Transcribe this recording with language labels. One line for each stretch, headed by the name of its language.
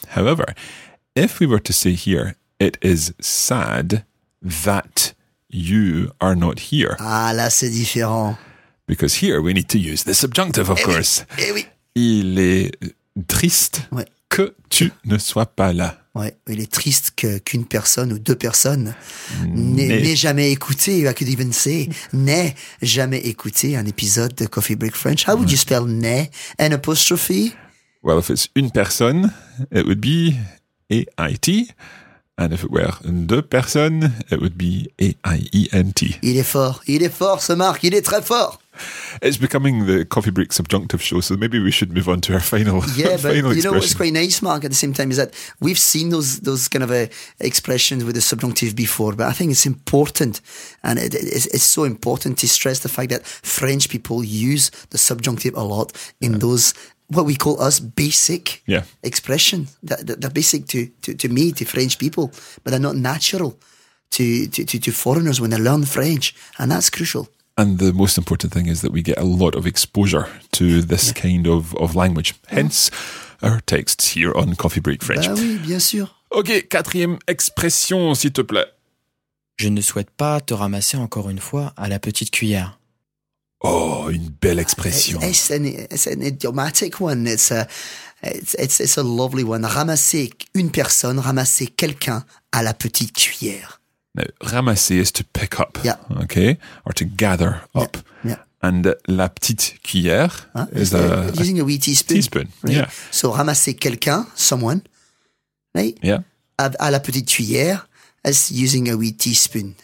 English: However, if we were to say here, it is sad that you are not here.
French: Ah, là, c'est différent.
English: Because here we need to use the subjunctive, of course.
French: Eh oui. Il est triste que tu ne sois pas là. Ouais, il est triste qu'une personne ou deux personnes n'aient jamais écouté,
English: I could even say,
French: n'aient jamais écouté un épisode de Coffee Break French.
English: How would you spell n'aient? An apostrophe? Well, if it's une personne, it would be A-I-T. And if it were deux personnes, it would be A-I-E-N-T.
French: Il est fort, ce Marc, il est très fort.
English: It's becoming the Coffee Break subjunctive show, so maybe we should move on to our final expression. Yeah, but final you know what's quite nice, Marc, at the same time, is that we've seen those kind of expressions with the subjunctive before, but I think it's important, and it's so important to stress the fact that French people use the subjunctive a lot in those what we call us basic expression, they're basic to me, to French people, but they're not natural to foreigners when they learn French, and that's crucial. And the most important thing is that we get a lot of exposure to this kind of language, hence our texts here on Coffee Break French.
French: Bah oui, bien sûr. Ok, quatrième expression, s'il te plaît. Je ne souhaite pas te ramasser encore une fois à la petite cuillère. Oh, une belle expression.
English: It's an idiomatic one. It's a lovely one.
French: Ramasser une personne, ramasser quelqu'un à la petite cuillère.
English: Now, ramasser is to pick up, yeah. Okay? Or to gather up. Yeah. And la petite cuillère is using a wee teaspoon. Teaspoon, right? Yeah. So ramasser quelqu'un, someone, right? Yeah.
French: À la petite cuillère.
English: As using a wee teaspoon.